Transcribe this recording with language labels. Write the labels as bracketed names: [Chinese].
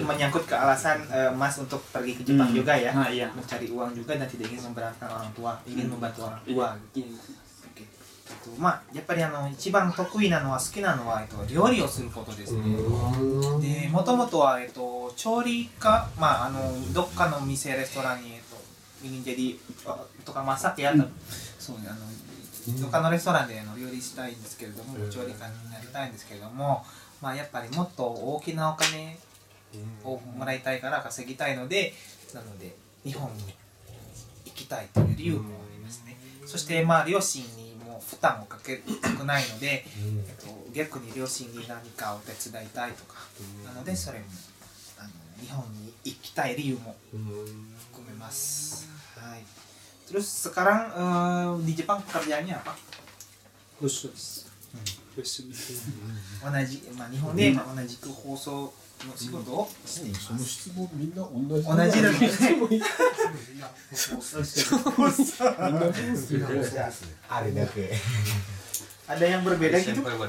[Indonesian] Itu menyangkut ke alasan mas untuk pergi ke Jepang juga ya, iya. Mencari uang juga dan tidak ingin memberatkan orang tua, ingin membantu orang tua. Iya. [Japanese] まあ、やっぱり一番得意なのは好きなのは料理をすることですね。で、もともとは調理家、まあ、どっかの店レストランにミニジェリーとかマサってやった、そうね、どっかのレストランで料理したいんですけれども、調理家になりたいんですけれども、まあ、やっぱりもっと大きなお金をもらいたいから稼ぎたいので、なので日本に行きたいという理由もありますね。そして、まあ、両親に負担をかけたくないので、逆に両親に何かお手伝いたいとか、なのでそれも日本に行きたい理由も含めます。はい。 [Indonesian] Terus sekarang di Jepang pekerjaannya apa? Khusus. Khusus. [Japanese] 同じ、まあ日本で同じく放送の仕事をしています。その質問みんな同じ。同じだね。 [Indonesian] Ada yang berbeda gitu?